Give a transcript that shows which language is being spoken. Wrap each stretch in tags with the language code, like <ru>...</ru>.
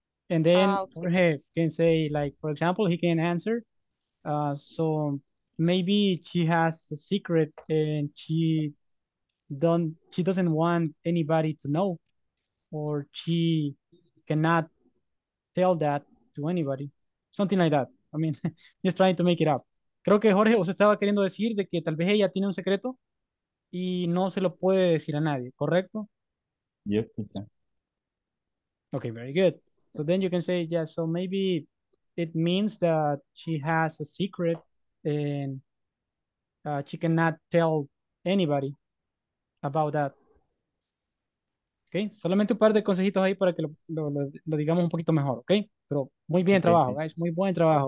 <en>And then Jorge can say, like, for example, he can answer, so maybe she has a secret and she doesn't want anybody to know, or she cannot tell that to anybody, something like that. I mean, just trying to make it up.</en> <es>Creo que Jorge os estaba queriendo decir de que tal vez ella tiene un secreto y no se lo puede decir a nadie, ¿correcto?</es> <en>Yes, we can. Okay, very good. So then you can say, yeah, so maybe it means that she has a secret and she cannot tell anybody about that.</en> <es>Okay, solamente un par de consejitos ahí para que lo digamos un poquito mejor, okay? Pero muy bien trabajo, guys, muy buen trabajo.</es>